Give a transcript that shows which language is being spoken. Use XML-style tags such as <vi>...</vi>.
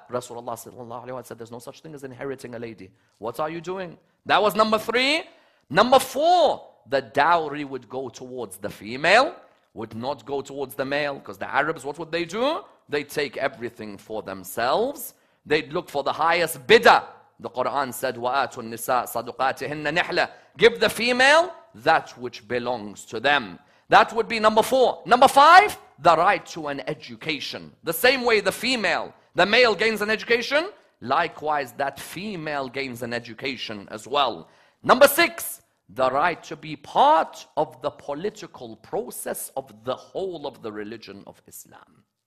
<en>Rasulullah sallallahu alayhi wa sallam said, there's no such thing as inheriting a lady. What are you doing? That was number three. Number four, the dowry would go towards the female, would not go towards the male. Because the Arabs, what would they do? They take everything for themselves. They'd look for the highest bidder. The Quran said,</en> <ar>وَآتُوا النِّسَاءَ صَدُقَاتِهِنَّ نِحْلَةً.</ar> <en>Give the female that which belongs to them. That would be number four. Number five, the right to an education. The same way the female, the male gains an education, likewise that female gains an education as well. Number six, the right to be part of the political process of the whole of the religion of Islam.</en>